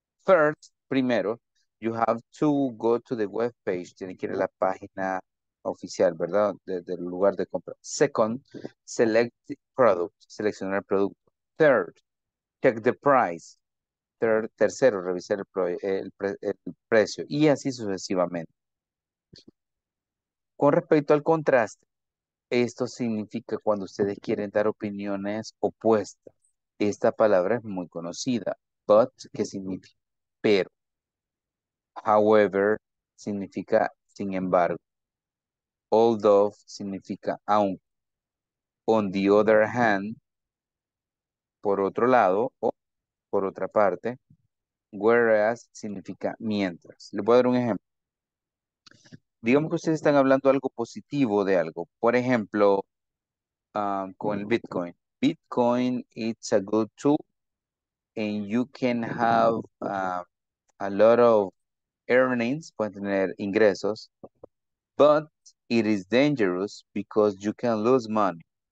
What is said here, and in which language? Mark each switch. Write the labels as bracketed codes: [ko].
[en] First, primero, you have to go to the web page. [es] Tiene que ir a la página oficial, ¿verdad? Del lugar de compra. [en] Second, select the product, [es] seleccionar el producto. [en] Third, check the price. [es] Tercero, revisar el precio y así sucesivamente. Con respecto al contraste, esto significa cuando ustedes quieren dar opiniones opuestas. Esta palabra es muy conocida, but, que significa pero. However, significa sin embargo. Although, significa aunque. On the other hand, por otro lado, o por otra parte, whereas significa mientras. Les voy a dar un ejemplo. Digamos que ustedes están hablando algo positivo de algo. Por ejemplo, con el Bitcoin. [en] Bitcoin, it's a good tool and you can have a lot of earnings, [es] pueden tener ingresos, [en] but it is dangerous because you can lose money.